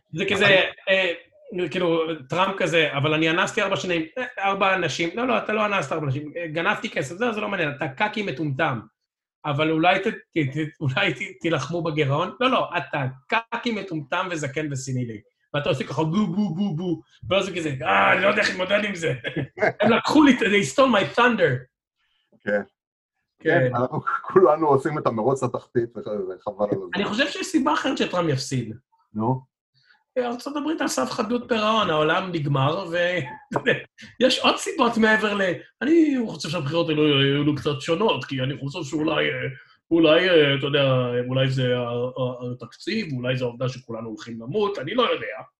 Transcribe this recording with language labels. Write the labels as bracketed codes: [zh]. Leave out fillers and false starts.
[he] זה כזה, כאילו, טראמפ כזה, אבל אני אנסתי ארבע שנים, ארבע אנשים, לא, אתה לא אנסת ארבע אנשים, גנפתי כסף, זה לא מעניין, אתה קאקי מטומטם. אבל אולי תלחמו בגרעון? לא, לא, אתה קאקי מטומטם וזקן וסינילי. ואתה עושה ככה בו בו בו בו, ולא זה כזה, אני לא יודע איך להתמודד עם זה. הם לקחו לי, [en] they stole my thunder. [he] כן. כן, אנחנו כולנו עושים את המרוץ התחתית, וחבל על זה. אני חושב שיש סיבה אחרת שטראמפ יפסיד. נו? ארצות הברית על סף חדות פרעון, העולם נגמר, ויש עוד סיבות מעבר ל... אני חושב שהבחירות האלו יהיו קצת שונות, כי אני חושב שאולי, אולי, אתה יודע, אולי זה התקציב, אולי זה העובדה שכולנו הולכים למות, אני לא יודע.